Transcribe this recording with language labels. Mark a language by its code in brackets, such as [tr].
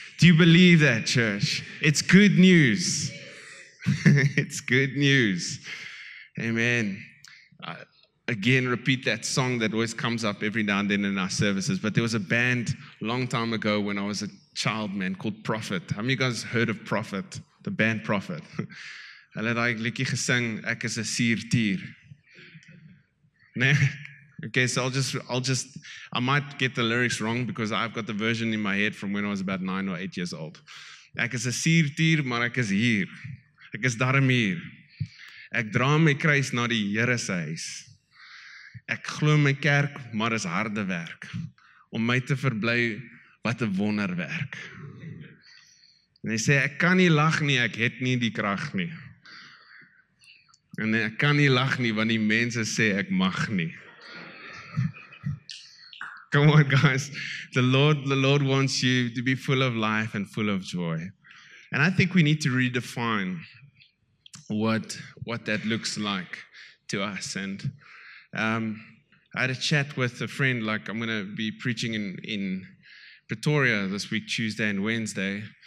[en] Do you believe that, church? It's good news. It's good news. Amen. Again, repeat that song that always comes up every now and then in our services. But there was a band a long time ago when I was a child, man, called Prophet. How many of you guys heard of Prophet? The band Prophet. [af] Hulle het daai liedjie gesing, ek is 'n suurtier. Né? [en] Okay, so I might get the lyrics wrong because I've got the version in my head from when I was about 9 or 8 years old. [af] Ek is 'n suurtier, maar ek is hier. Ek is daarom hier. Ek dra my kruis na die Here se huis. Ek glo my kerk, maar is harde werk. Om my te verbly, wat 'n wonderwerk. En hy sê, ek kan nie lag nie, ek het nie die krag nie. En ek kan nie lag nie, want die mense sê, ek mag nie. [en] Come on, guys. The Lord wants you to be full of life and full of joy. And I think we need to redefine what that looks like to us. And I had a chat with a friend, like I'm going to be preaching in Pretoria this week, Tuesday and Wednesday.